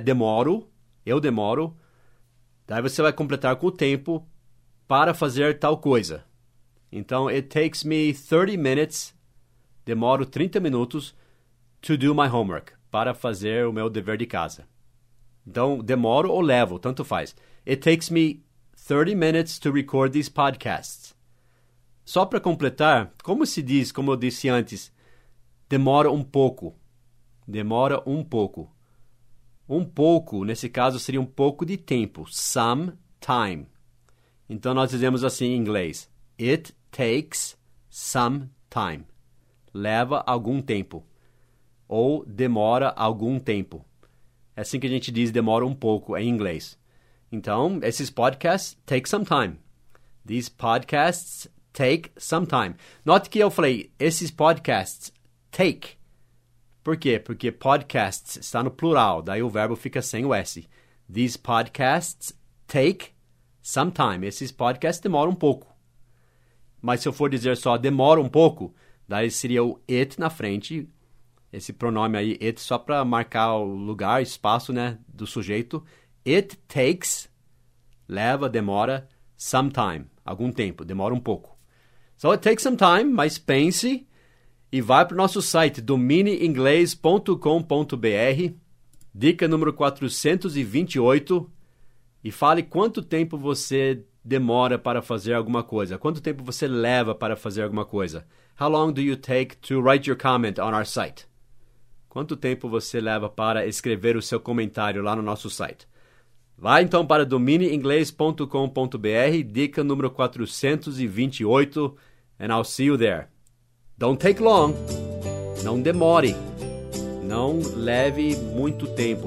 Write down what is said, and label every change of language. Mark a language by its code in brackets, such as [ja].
[pt] Demoro, eu demoro. Daí você vai completar com o tempo para fazer tal coisa. Então, [en] it takes me 30 minutes, [pt] demoro 30 minutos, [en] to do my homework, [pt] para fazer o meu dever de casa. Então, demoro ou levo, tanto faz. [en] It takes me 30 minutes to record these podcasts. [pt] Só para completar, como se diz, como eu disse antes, demora um pouco. Demora um pouco. Um pouco, nesse caso, seria um pouco de tempo. [en] Some time. [pt] Então, nós dizemos assim em inglês. [en] It takes some time. [pt] Leva algum tempo. Ou demora algum tempo. É assim que a gente diz demora um pouco em inglês. Então, esses [en] podcasts take some time. These podcasts take some time. [pt] Note que eu falei, esses podcasts take. Por quê? Porque podcasts está no plural. Daí o verbo fica sem o S. [en] These podcasts take some time. [pt] Esses podcasts demoram um pouco. Mas se eu for dizer só demora um pouco, daí seria o it na frente. Esse pronome aí, it, só para marcar o lugar, espaço, né, do sujeito. [en] It takes, [pt] leva, demora, [en] some time, [pt] algum tempo, demora um pouco. [en] So it takes some time, [pt] mas pense e vai para o nosso site, domineinglês.com.br, dica número 428, e fale quanto tempo você demora para fazer alguma coisa, quanto tempo você leva para fazer alguma coisa. [en] How long do you take to write your comment on our site? [pt] Quanto tempo você leva para escrever o seu comentário lá no nosso site? Vai então para domineinglês.com.br, dica número 428, [en] and I'll see you there. Don't take long. [pt] Não demore. Não leve muito tempo.